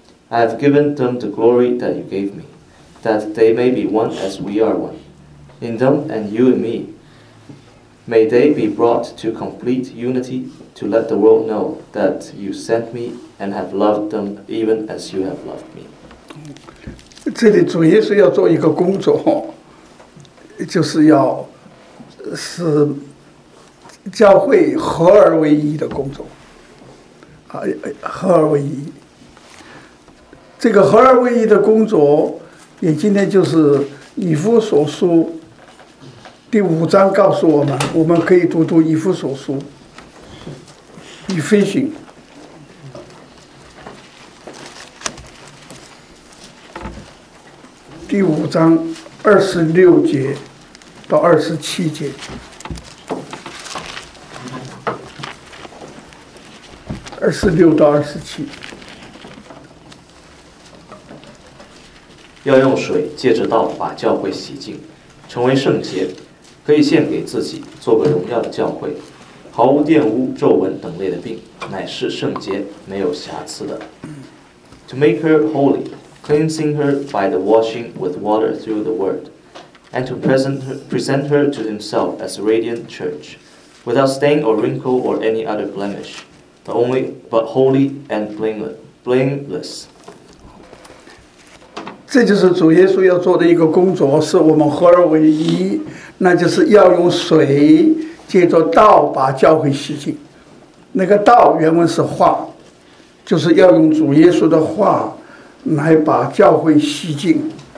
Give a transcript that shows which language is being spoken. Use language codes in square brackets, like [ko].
[en] I have given them the glory that you gave me, that they may be one as we are one. In them and you and me, may they be brought to complete unity, to let the world know that you sent me and have loved them even as you have loved me. [zh] 这里主耶稣要做一个工作，就是要使教会合而为一的工作，合而为一。这个合而为一的工作，也今天就是以弗所书第五章告诉我们，我们可以读读以弗所书，以弗所。第五章二十六节到二十七节。二十六到二十七。要用水借着道把教会洗净，成为圣洁，可以献给自己，做个荣耀的教会，毫无玷污、皱纹等类的病，乃是圣洁，没有瑕疵的。 [en] To make her holy, cleansing her by the washing with water through the word, and to present her to himself as a radiant church, without stain or wrinkle or any other blemish, but holy and blameless. [zh] 这就是主耶稣要做的一个工作，是我们合而为一，那就是要用水借着道把教会洗净。那个道原文是话，就是要用主耶稣的话来把教会洗净。